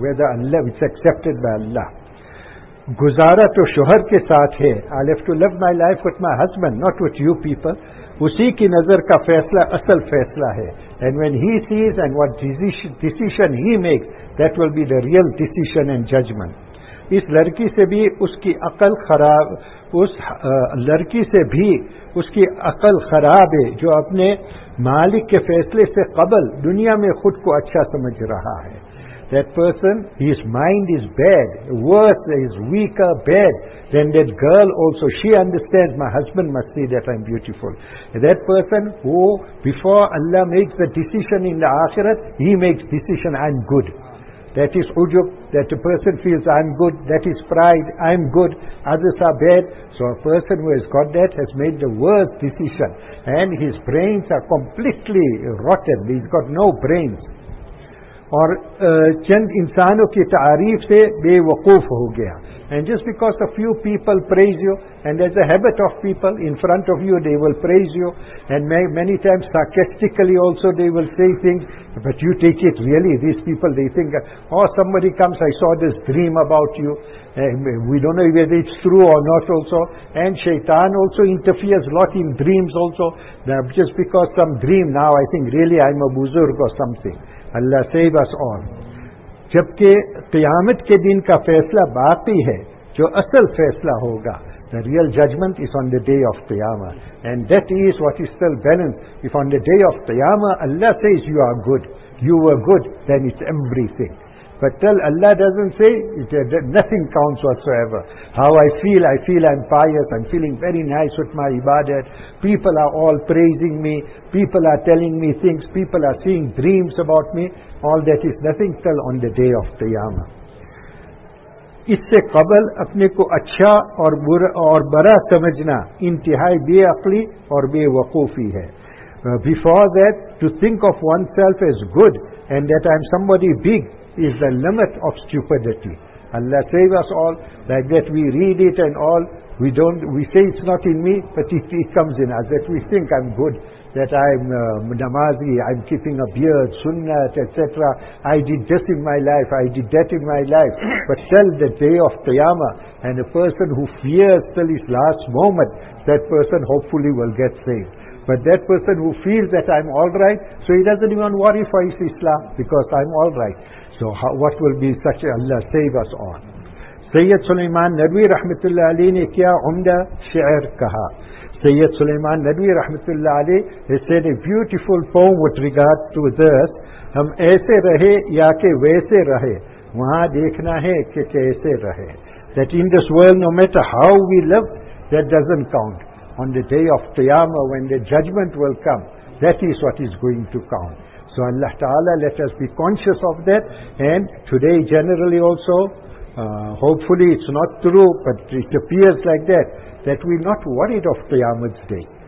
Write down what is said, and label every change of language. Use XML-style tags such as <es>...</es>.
<en>Whether Allah, it's accepted by Allah.</en> <ur>Guzara to shohar ke saath hai.</ur> <en>I'll have to live my life with my husband, not with you people.</en> <ur>Usi ki nazar ka faisla, asal faisla hai.</ur> <en>And when he sees and what decision he makes, that will be the real decision and judgment.</en> <ur>اس لڑکی سے بھی اس کی عقل خراب اس لڑکی سے بھی اس کی عقل خراب ہے جو اپنے مالک کے فیصلے سے قبل دنیا میں خود کو اچھا سمجھ رہا ہے.</ur> <en>That person, his mind is bad, worse, is weaker, bad than that girl also. She understands, my husband must see that I'm beautiful. That person who, before Allah makes the decision in the akhirat, he makes decision, I'm good. That is ujub, that the person feels I'm good, that is pride, I'm good, others are bad. So a person who has got that has made the worst decision. And his brains are completely rotten, he's got no brains.</en> <ur>Aur chand insano ki ta'arif se bewakoof ho gaya.</ur> <en>And just because a few people praise you, and there's a habit of people in front of you, they will praise you, and many times sarcastically also they will say things, but you take it really, these people, they think, oh, somebody comes, I saw this dream about you, we don't know whether it's true or not also, and shaitan also interferes a lot in dreams also, now, just because some dream now, I think really I'm a buzurg or something. Allah save us all.</en> <ur>جبکہ قیامت کے دن کا فیصلہ باقی ہے جو اصل فیصلہ ہوگا.</ur> <en>The real judgment is on the day of Qiyamah. And that is what is still balanced. If on the day of Qiyamah Allah says you are good, you were good, then it's everything. But till Allah doesn't say, nothing counts whatsoever. How I feel I'm pious, I'm feeling very nice with my ibadat. People are all praising me, people are telling me things, people are seeing dreams about me. All that is nothing till on the day of Qiyamah.</en> <ur>اس سے قبل اپنے کو اچھا اور برا سمجھنا انتہائی بے عقلی اور بے وقوفی ہے.</ur> <en>Before that, to think of oneself as good and that I am somebody big is the limit of stupidity. Allah save us all. Like that we read it and all, we say it's not in me, but it comes in us that we think I'm good, that I'm namazi, I'm keeping a beard, sunnat, etc. I did this in my life, I did that in my life. But till the day of Qiyamah, and a person who fears till his last moment, that person hopefully will get saved. But that person who feels that I'm all right, so he doesn't even worry for his Islam, because I'm all right. So what will be such, Allah save us all.</en> <ur>Syed Sulaiman Nadvi رحمت اللہ علی نے کیا عمدہ شعر کہا.</ur> <en>سید سلیمان ندوی رحمت اللہ علی has said a beautiful poem with regard to this.</en> <ur>ہم ایسے رہے یا کہ ویسے رہے, وہاں دیکھنا ہے کہ کیسے رہے.</ur> <en>that in this world, no matter how we live, that doesn't count. On the day of Qiyamah, when the judgment will come, that is what is going to count. So Allah Ta'ala, let us be conscious of that. And today generally also, hopefully it's not true, but it appears like that, that we're not worried of Qiyamah's day.</en>